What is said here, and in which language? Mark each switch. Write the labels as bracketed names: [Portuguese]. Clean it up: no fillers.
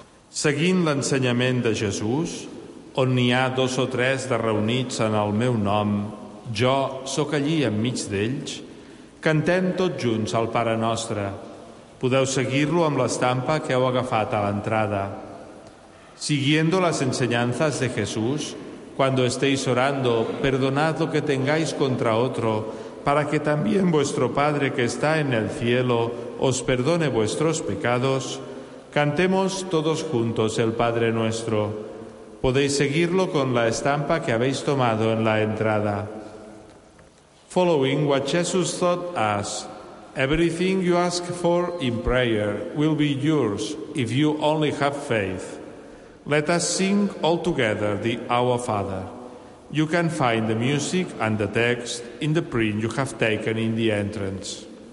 [Catalan] Seguint l'ensenyament de Jesús, on n'hi ha dos o tres de reunits en el meu nom, jo sóc allí enmig d'ells, cantem tots junts al Pare Nostre. Podeu seguir-lo amb l'estampa que heu agafat a l'entrada. [Spanish] Siguiendo las enseñanzas de Jesús, cuando estéis orando, perdonad lo que tengáis contra otro, para que también vuestro Padre que está en el cielo os perdone vuestros pecados, cantemos todos juntos el Padre Nuestro. Podéis seguirlo con la estampa que habéis tomado en la entrada. [English] Following what Jesus taught us, everything you ask for in prayer will be yours if you only have faith. Let us sing all together the Our Father. You can find the music and the text in the print you have taken in the entrance.